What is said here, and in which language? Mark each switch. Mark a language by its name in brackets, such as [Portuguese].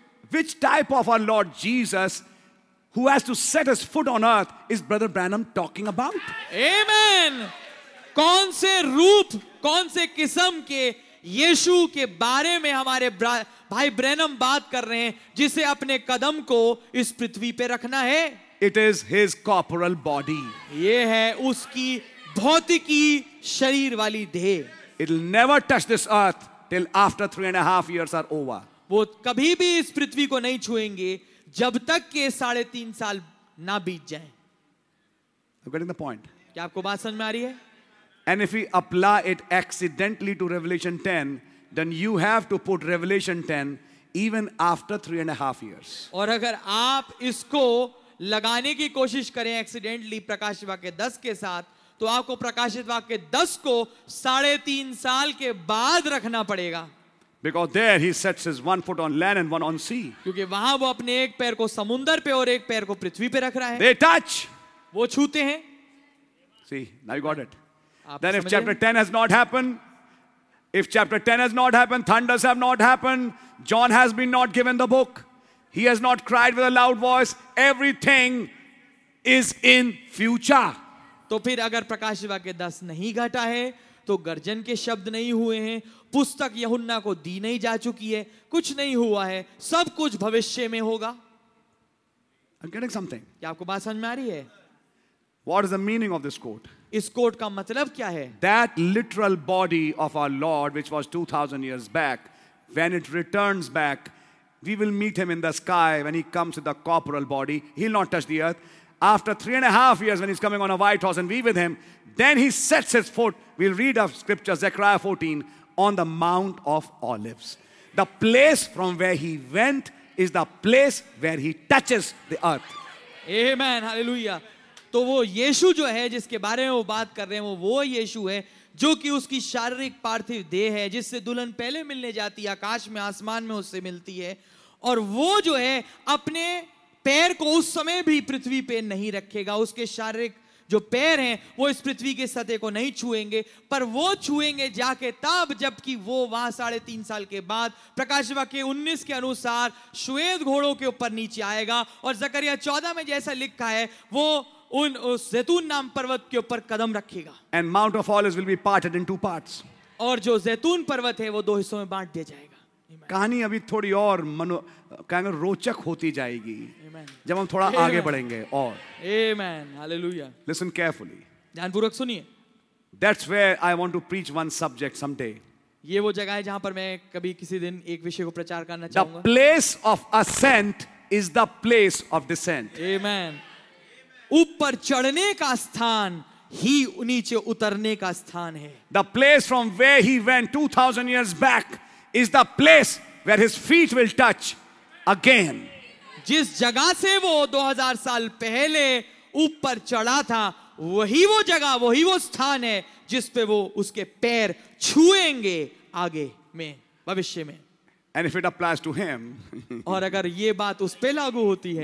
[English] Which type of our Lord Jesus? Who has to set his foot on earth is Brother Branham talking about? Amen. [Hindi] कौन से रूप, कौन से किस्म के यीशु के बारे में हमारे भाई ब्रैनम बात कर रहे हैं जिसे अपने कदम को इस पृथ्वी पे रखना है? [English] It is his corporal body. [Hindi] ये है उसकी भौतिकी शरीर वाली देह. [English] It'll never touch this earth till after 3.5 years are over. [Hindi] वो कभी भी इस पृथ्वी को नहीं छुएंगे जब तक के 3.5 साल ना बीत जाए. [English] I'm getting the point. [Hindi] क्या आपको बात समझ में आ रही है? [English] And if we apply it accidentally to Revelation 10, then you have to put Revelation 10 even after 3.5 years. [Hindi] और अगर आप इसको लगाने की कोशिश करें [English] accidentally [Hindi] प्रकाशितवाक्य 10 के साथ, तो आपको प्रकाशितवाक्य 10 को 3.5 साल के बाद रखना पड़ेगा. [English] Because there he sets his one foot on land and one on sea. [Hindi] क्योंकि वहाँ वो अपने एक पैर को समुंदर पे और एक पैर को पृथ्वी पे रख रहा है. [English] They touch. [Hindi] वो छूते हैं. [English] See, now you got it. Then if chapter 10 has not happened, if chapter 10 has not happened, thunders have not happened, John has been not given the book, he has not cried with a loud voice, everything is in future. [Hindi] तो फिर अगर प्रकाशितवाक्य 10 नहीं घटा है, तो गर्जन के शब्द नहीं हुए हैं, पुस्तक यहुन्ना को दी नहीं जा चुकी है, कुछ नहीं हुआ है, सब कुछ भविष्य में होगा. [English] I'm getting something. [Hindi] क्या आपको बात समझ में आ रही है? [English] What is the meaning of this quote? [Hindi] इस quote का मतलब क्या है? [English] That literal body of our Lord, which was 2000 years back, when it returns back, we will meet him in the sky when he comes with the corporal body. He'll not touch the earth. After 3.5 years, when he's coming on a white horse and we with him, then he sets his foot. We'll read of scripture, Zechariah 14, on the Mount of Olives. The place from where he went is the place where he touches the earth. Amen. Hallelujah. [Hindi] तो वो यीशु जो है जिसके बारे में वो बात कर रहे हैं, वो यीशु है जो कि उसकी शारीरिक पार्थिव देह है जिससे दुल्हन पहले मिलने जाती है, आकाश में, आसमान में उससे मिलती है, और वो जो है अपने पैर को उस समय भी पृथ्वी पे नहीं रखेगा. उसके शारीरिक जो पैर हैं वो इस पृथ्वी के सतह को नहीं छुएंगे, पर वो छुएंगे जाके तब जबकि वो वहां 3.5 साल के बाद प्रकाशवाक्य 19 के अनुसार श्वेत घोड़ों के ऊपर नीचे आएगा. और जकरिया 14 में जैसा लिखा है वो उन उस जैतून नाम पर्वत के ऊपर कदम रखेगा. [English] And Mount of Olives will be parted in two parts. [Hindi] और जो जैतून पर्वत है वो दो हिस्सों में बांट दिया जाएगा. कहानी अभी थोड़ी और कहेंगे रोचक होती जाएगी. [English] Amen. [Hindi] जब हम थोड़ा Amen. आगे बढ़ेंगे और. [English] Amen. Hallelujah. Listen carefully. [Hindi] ध्यानपूर्वक सुनिए. [English] That's where I want to preach one subject someday. [Hindi] ये वो जगह है जहाँ पर मैं कभी किसी दिन एक विषय को प्रचार करना चाहूँगा. [English] The place of ascent is the place of descent. Amen. [Hindi] ऊपर चढ़ने का स्थान ही नीचे उतरने का स्थान है. [English] The place from where he went 2000 years back is the place where his feet will touch again. [Hindi] जिस जगह से वो 2000 साल पहले ऊपर चढ़ा था वही वो जगह वही वो स्थान है जिस पे वो उसके पैर छुएंगे आगे में भविष्य में. [English] And if it applies to him, [Hindi] और अगर ये बात उस पे लागू होती है,